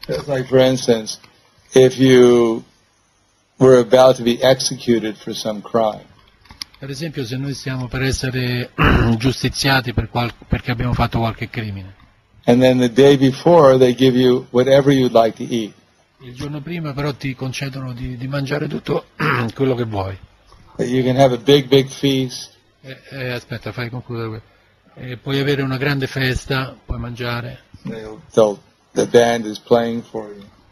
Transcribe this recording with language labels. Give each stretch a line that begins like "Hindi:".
English: Like for instance, if you were about to be executed for some crime.
Italian: Per esempio, se noi stiamo per essere giustiziati perché abbiamo fatto qualche crimine.
English: And then the day before they give you whatever you'd like to eat.
Italian: Il giorno prima però ti concedono di mangiare tutto quello che vuoi.
English: You can have a big feast.
Italian: Aspetta, fai concludere. Puoi avere una grande festa, puoi mangiare.
English: The band is playing for you.